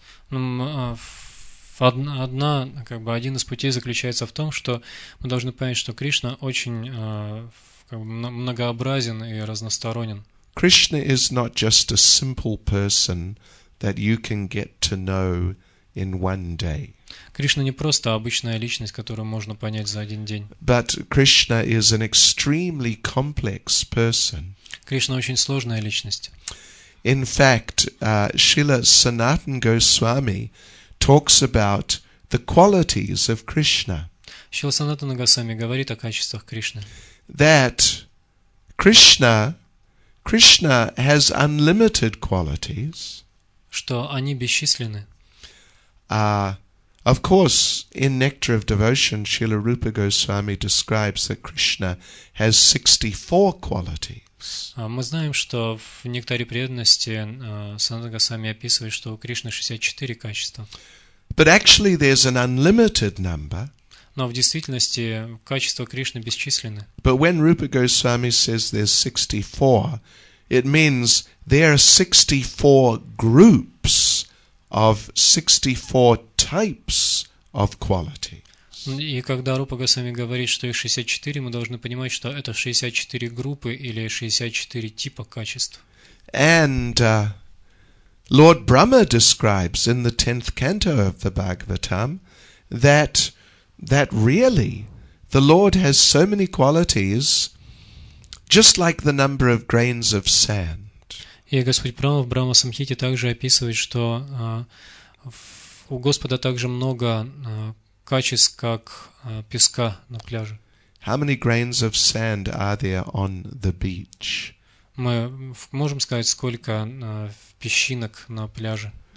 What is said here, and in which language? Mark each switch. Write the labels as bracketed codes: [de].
[ru] Одна, как бы, один из путей заключается в том, что мы должны понять, что Кришна очень многообразен и разносторонен. [en] Krishna is not just a simple person that you can get to know in one day. [ru] Кришна не просто обычная личность, которую можно понять за один день. [en] But Krishna is an extremely complex person. [ru] Кришна очень сложная личность. [en] In fact, Srila Sanatan Goswami talks about the qualities of Krishna. [ru] Srila Sanatan Goswami говорит о качествах Кришны. [en] That Krishna has unlimited qualities. [ru] Что они бесчисленны. [en] Of course, in Nectar of Devotion, Srila Rupa Goswami describes that Krishna has 64 qualities. [ru] Мы знаем, что в Нектаре преданности Санатана Госвами описывает, что у Кришны 64 качества. [en] But actually, there's an unlimited number. [ru] Но в действительности качества Кришны бесчисленны. [en] But when Rupa Goswami says there's 64, it means there are 64 groups of 64 types of qualities. [ru] И когда Рупа Госвами говорит, что их 64, мы должны понимать, что это 64 группы или 64 типа качеств. [en] And Lord Brahma describes in the 10th canto of the Bhagavatam that really the Lord has so many qualities just like the number of grains of sand. [ru] И Господь Брама в Брама-самхите также описывает, что у Господа также много качеств, как песка на пляже. [en] How many grains of sand are there on the beach? [ru] Мы можем сказать, сколько песчинок на пляже?